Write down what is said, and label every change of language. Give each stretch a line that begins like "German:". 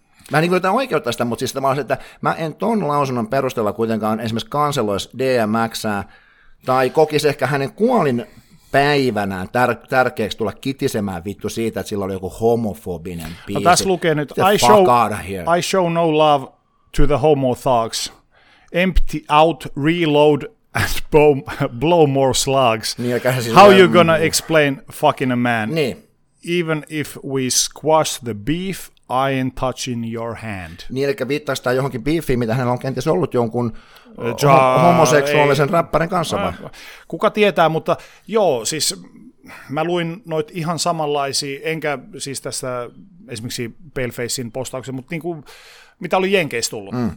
Finnish: Mä en niin kuin jotain oikeutta sitä, mutta siis tavallaan se, että mä en ton lausunnon perusteella kuitenkaan esimerkiksi kanseloisi DMX:ää tai kokisi ehkä hänen kuolin päivänään tärkeäksi tulla kitisemään vittu siitä, että sillä oli joku homofobinen biisi. No tässä lukee nyt,
English: I show no love to the homo thugs. Empty out, reload and blow more slugs.
Finnish: Niin, siis
English: how you gonna explain fucking a man?
Finnish: Niin.
English: Even if we squash the beef, I ain't touching your hand.
Finnish: Niin, eli viittaa sitä johonkin beefiin, mitä hänellä on kenties ollut jonkun homoseksuaalisen räppärin kanssa vai? Kuka tietää, mutta joo, siis mä luin noit ihan samanlaisia, enkä siis tässä esimerkiksi Palefacein postauksen, mutta niinku, mitä oli Jenkeissä tullut.